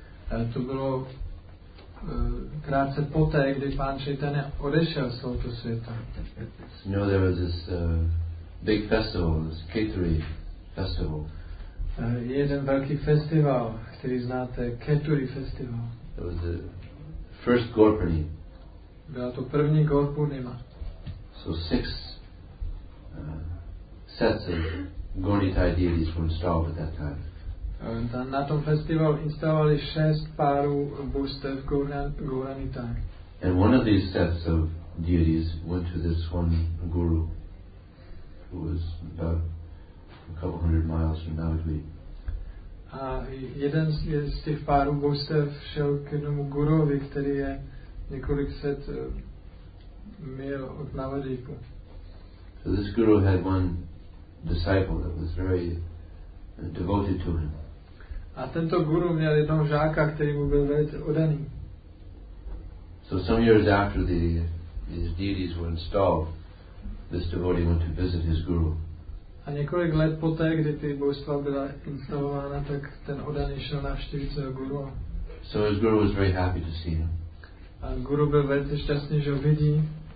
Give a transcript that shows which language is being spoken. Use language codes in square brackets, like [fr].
[cs] A to bylo krátce poté, kdy pán Chaitanya odešel z tohoto světa. [en] You know, there was this big festival, this Khetri festival. [cs] Jeden velký festival, který znáte, Khetri festival. [en] It was the first Gorpurni. [cs] Byla to první Gorpurnima. [en] So six sets of Gornitai deities were installed at that time. [cs] Na tom festivalu instalovali šest párů bůstev Gornitai. [en] And one of these sets of deities went to this one guru who was about a couple hundred miles from Navadvip. [cs] A jeden z těch párů bůstev šel k jednomu guruovi, který je několik set mil od Navadvípu. [en] So this guru had one disciple that was very devoted to him. [cs] A tento guru měl jednoho žáka, který mu byl velice oddaný. [en] So some years after these deities were installed, this devotee went to visit his guru. [cs] A několik let poté, kdy ty božstva byla instalována, tak ten odaný šel navštívit svého guru. [en] So his guru was very happy to see him. [cs] A guru byl velice šťastný, že ho vidí.